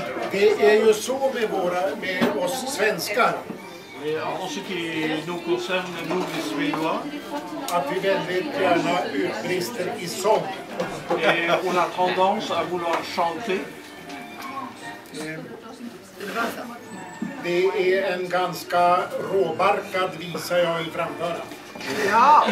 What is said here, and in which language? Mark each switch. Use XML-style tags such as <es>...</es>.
<sv>Det är ju så med våra, med oss svenskar.</sv> <fr>En ce qui nous concerne, nous les Suédois,</fr> <sv>att vi väldigt gärna utbrister i sång.</sv> <fr>On a tendance à vouloir chanter.</fr> <sv>Det är en ganska råbarkad visa jag vill framföra.</sv>